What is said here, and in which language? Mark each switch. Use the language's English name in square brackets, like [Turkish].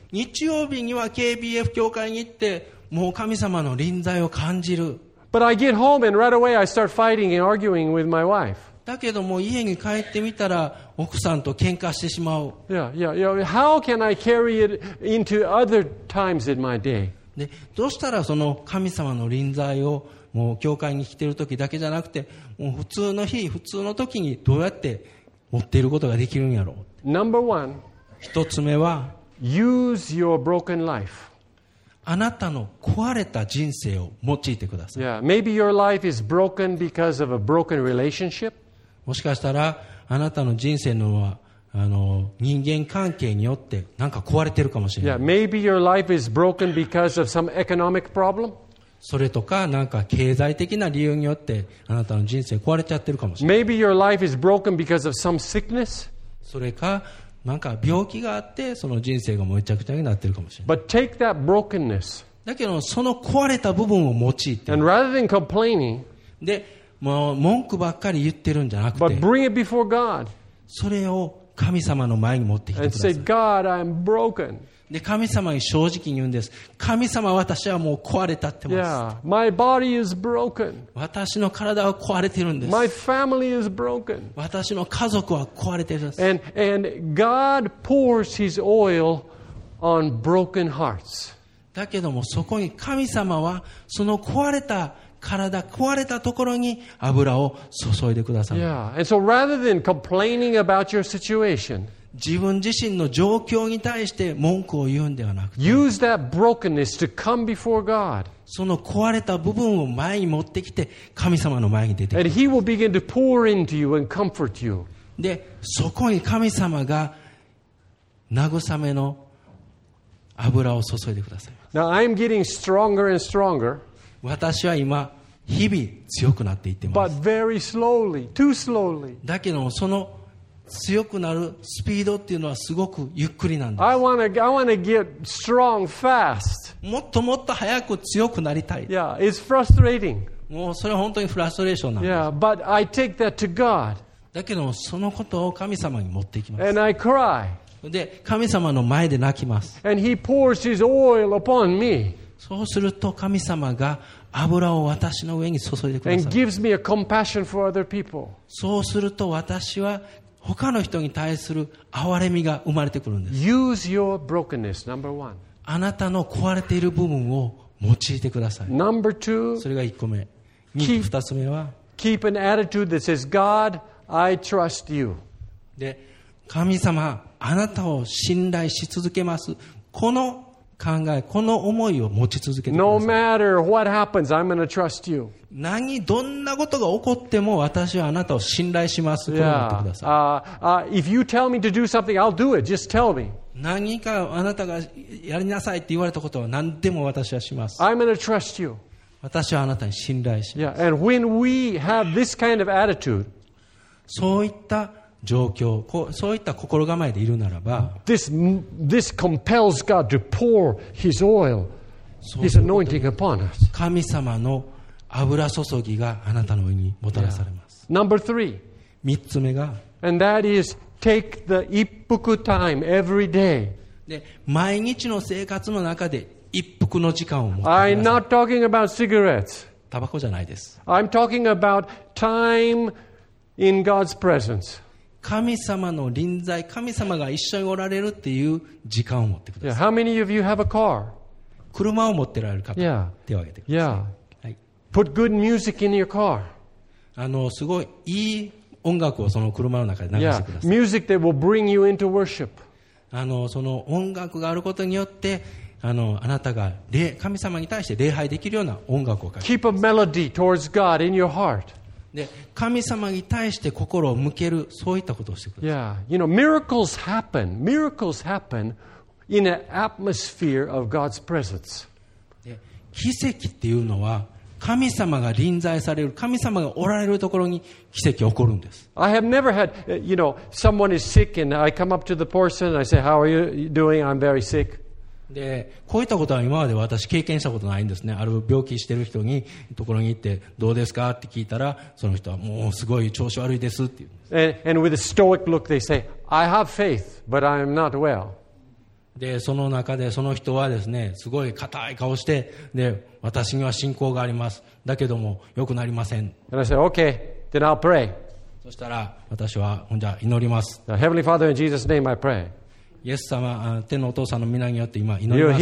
[Japanese] 日曜日には KBF 教会に行ってもう神様の臨在を感じる。 [English] But I get home and right away I start fighting and arguing with my wife. [Japanese] だけども家に帰ってみたら奥さんと喧嘩してしまう。 [English] Yeah, yeah, yeah. How can I carry it into other times in my day? [Japanese] で、どうしたらその神様の臨在をもう教会に来ている時だけじゃなくて、もう普通の日、普通の時にどうやって持っていることができるんやろう。 [English] Number one, [Japanese] 一つ目は、 [English] use your broken life. [Japanese] あなたの壊れた人生を用いてください。 [English] Yeah, maybe your life is broken because of a broken relationship. [Japanese] もしかしたら、あなたの人生のは、人間関係によってなんか壊れてるかもしれない。 [English] Yeah, maybe your life is broken because of some economic problem. [Japanese] それとかなんか経済的な理由によってあなたの人生壊れちゃってるかもしれない。 [English] Maybe your life is broken because of some sickness. [Japanese] それかなんか病気があってその人生がめちゃくちゃになってるかもしれない。 [English] But take that brokenness. [Japanese] だけどその壊れた部分を用いて。 [English] And rather than complaining, [Japanese] でもう文句ばっかり言ってるんじゃなくて、 [English] but bring it before God. [Japanese] それを神様の前に持ってきてください。 [English] And say, God, I'm broken. [Japanese] で、神様に正直に言うんです。神様、私はもう壊れたってます。 [English] Yeah, my body is broken. [Japanese] 私の体は壊れてるんです。 [English] My family is broken. [Japanese] 私の家族は壊れてるんです。 [English] And God pours his oil on broken hearts. [Japanese] だけども、そこに神様はその壊れた体、壊れたところに油を注いでください。 [English] Yeah. And so rather than complaining about your situation, [Japanese] 自分自身の状況に対して文句を言うんではなくて、 [English] use that brokenness to come before God. [Japanese] その壊れた部分を前に持ってきて、神様の前に出てくる。 [English] And he will begin to pour into you and comfort you. [Japanese] で、そこに神様が慰めの油を注いでください。 [English] Now I'm getting stronger and stronger. [Japanese] 私は今日々強くなっていってます。 [English] But very slowly, too slowly. [Japanese] だけどもその強くなるスピードっていうのはすごくゆっくりなんです。 [English] I wanna get strong fast. [Japanese] もっともっと早く強くなりたい。 [English] Yeah, it's frustrating. [Japanese] もうそれは本当にフラストレーションなんです。 [English] Yeah, but I take that to God. [Japanese] だけどもそのことを神様に持っていきます。 [English] And I cry. [Japanese] で神様の前で泣きます。 [English] And He pours His oil upon me. [Japanese] そうすると神様が油を私の上に注いでください。 [English] And gives me a compassion for other people. [Japanese] そうすると私は他の人に対する憐れみが生まれてくるんです。 [English] Use your brokenness, number one. [Japanese] あなたの壊れている部分を用いてください。 [English] Number two. [Japanese] それが1個目。2つ目は。 [English] Keep an attitude that says, God, I trust you. [Japanese] で、神様、あなたを信頼し続けます。この考え、この思いを持ち続けてください。 [English] No matter what happens, I'm gonna trust you. [Japanese] 何、どんなことが起こっても、私はあなたを信頼します。 [English] Yeah. [Japanese] と思ってください。 [English] If you tell me to do something, I'll do it. Just tell me. [Japanese] 何かあなたがやりなさいって言われたことは何でも私はします。 [English] I'm gonna trust you. [Japanese] 私はあなたに信頼します。 [English] Yeah. And when we have this kind of attitude, [Japanese] そういった状況、そういった心構えでいるならば、 [English] This compels God to pour His oil, His anointing upon us. [Japanese] 神様の油注ぎがあなたの上にもたらされます。 [English] Yeah. Number three. [Japanese] 三つ目が、 [English] And that is take the 一服 time every day. [Japanese] で、毎日の生活の中で一服の時間を持ってください。 [English] I'm not talking about cigarettes. [Japanese] タバコじゃないです。 [English] I'm talking about time in God's presence. [Japanese] 神様の臨在、神様が一緒におられるっていう時間を持ってください。 [English] Yeah. How many of you have a car? [Japanese] 車を持ってられる方、 [English] yeah. [Japanese] 手を挙げてください。 [English] Yeah. Put good music in your car. [Japanese] すごいいい音楽をその車の中で流してください。 [English] Yeah. Music that will bring you into worship. [Japanese] その音楽があることによって、あなたが神様に対して礼拝できるような音楽をかけてください [English] Keep a melody towards God in your heart. [Japanese] で神様に対して心を向ける、そういったことをしてください。 [English] Yeah, you know, miracles happen. Miracles happen in an atmosphere of God's presence. [Japanese] で奇跡っていうのは神様が臨在される、神様がおられるところに奇跡が起こるんです。 [English] I have never had, you know, someone is sick and I come up to the person and I say, "How are you doing? I'm very sick." [Japanese] で、こういったことは今まで私経験したことないんですね。ある病気してる人にところに行ってどうですかって聞いたら、その人はもうすごい調子悪いですって言うんです。 [English] And with a stoic look, they say, "I have faith, but I am not well." [Japanese] で、その中でその人はですね、すごい硬い顔して、で、私には信仰があります。だけども良くなりません。 [English] And I say, "Okay, then I'll pray." [Japanese] そしたら私はじゃあ祈ります。 [English] Now, Heavenly Father, in Jesus' name, I pray. [Japanese] イエス様、天のお父さんの皆によって今祈ります。